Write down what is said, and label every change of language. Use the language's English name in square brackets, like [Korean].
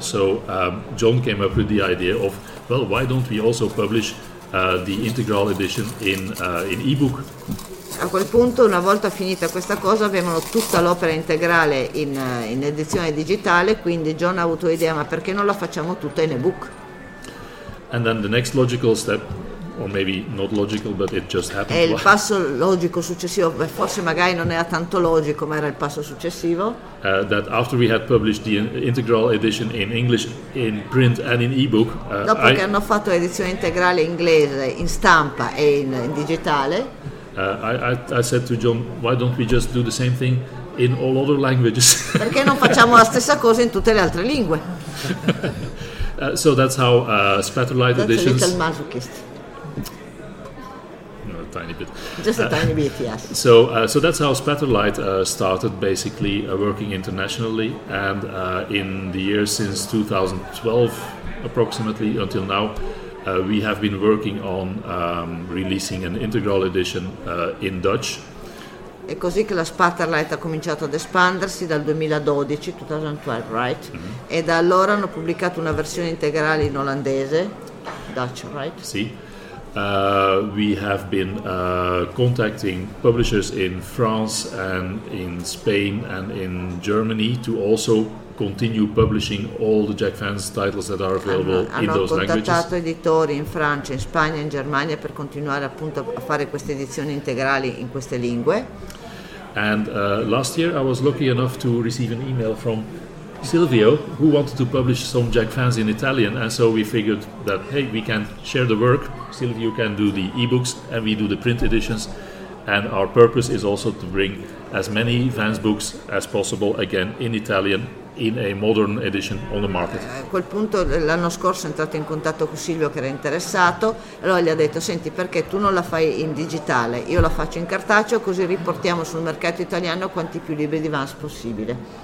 [English] So John came up with the idea of, well, why don't we also publish the integral edition in ebook? [Italian] A quel punto, una volta finita questa cosa, avevano tutta l'opera integrale in edizione digitale, quindi John ha avuto l'idea, ma perché non la facciamo tutta in ebook? [English] And then the next logical step, or maybe not logical, but it just happened. [Italian] E il passo logico successivo, forse magari non era tanto logico, ma era il passo successivo. [English] That after we had published the integral edition in English, in print and in ebook. [Italian] Dopo che hanno fatto l'edizione integrale inglese in stampa e in digitale. [English] I said to John, why don't we just do the same thing in all other languages? [Italian] Perché non facciamo la stessa cosa in tutte le altre lingue? [English] So that's how Spatterlight editions. That's a little masochist. No, a tiny bit. Just a tiny bit, yes. So that's how Spatterlight started, basically working internationally. And in the years since 2012, approximately until now, we have been working on releasing an integral edition in Dutch. [Italian] È così che la Spatterlight ha cominciato ad espandersi dal 2012, [English] right? [Italian] Mm-hmm. E da allora hanno pubblicato una versione integrale in olandese, Dutch, [English] right? [Italian] Sì. [English] We have been contacting publishers in France and in Spain and in Germany to also continue publishing all the Jack Vance titles that are available in those [Italian] Hanno contattato editori in Francia, in Spagna, in Germania per continuare appunto a fare queste edizioni integrali in queste lingue. [English] And last year I was lucky enough to receive an email from Silvio, who wanted to publish some Jack Vance in Italian, and so we figured that, hey, we can share the work, Silvio can do the ebooks, and we do the print editions, and our purpose is also to bring as many Vance books as possible again in Italian in a modern edition on the market. [Italian] A quel punto l'anno scorso è entrato in contatto con Silvio, che era interessato, allora gli ha detto, senti, perché tu non la fai in digitale, io la faccio in cartaceo, così riportiamo sul mercato italiano quanti più libri di Vance possibile.